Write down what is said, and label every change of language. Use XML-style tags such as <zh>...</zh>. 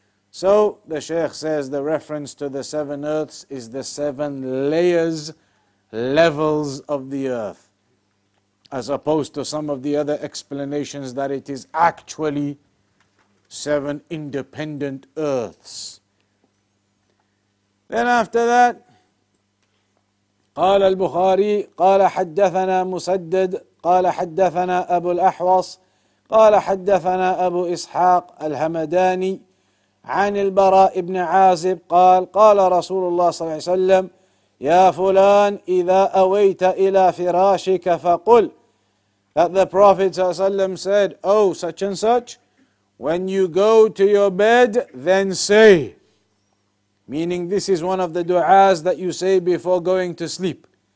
<en>So the Sheikh says the reference to the seven earths is the seven layers, levels of the earth, as opposed to some of the other explanations that it is actually seven independent earths. Then after that,</en> <ar>قال البخاري قال حدثنا مسدد قال حدثنا أبو الأحوص قال حدثنا أبو إسحاق الهمداني عن البراء بن عازب قال قال رسول الله صلى الله عليه وسلم يا فلان إذا أويت إلى فراشك فقل.</ar> <en>That the Prophet ﷺ said, oh, such and such, when you go to your bed, then say. Meaning this is one of the du'as that you say before going to sleep.</en>